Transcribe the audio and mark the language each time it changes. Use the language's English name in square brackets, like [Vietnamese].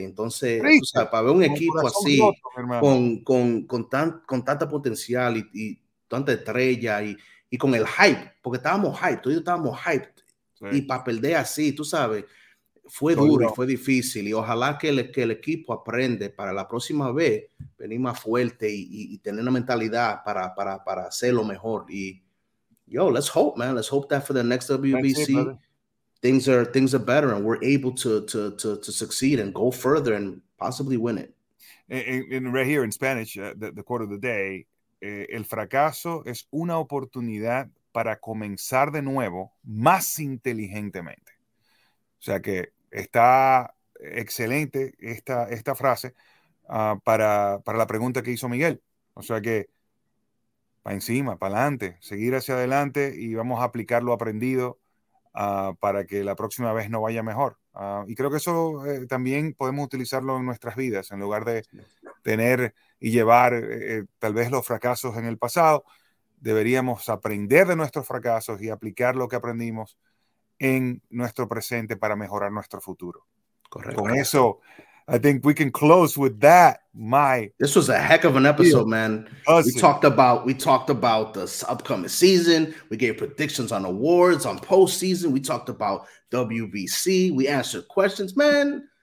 [Spanish] Entonces, o sea, para ver un equipo así con tanta potencial y tanta estrella y con el hype, porque estábamos hype, todos estábamos hype, y para perder así, tú sabes, fue duro y fue difícil. Y ojalá que el equipo aprende para la próxima vez venir más fuerte y tener una mentalidad para hacer lo mejor. Y yo, [English] let's hope, man. Let's hope that for the next WBC, things are better and we're able to succeed and go further and possibly win it. And right here in Spanish, the quote of the day, [Spanish] el fracaso es una oportunidad para comenzar de nuevo más inteligentemente. O sea que está excelente esta frase para la pregunta que hizo Miguel. O sea que para encima, para adelante, seguir hacia adelante y vamos a aplicar lo aprendido para que la próxima vez no vaya mejor. Y creo que eso también podemos utilizarlo en nuestras vidas, en lugar de tener y llevar tal vez los fracasos en el pasado, deberíamos aprender de nuestros fracasos y aplicar lo que aprendimos en nuestro presente para mejorar nuestro futuro. Correcto. Con eso, [English] I think we can close with that, my. This was a heck of an episode, man. We talked about this upcoming season. We gave predictions on awards, on postseason. We talked about WBC. We answered questions, man.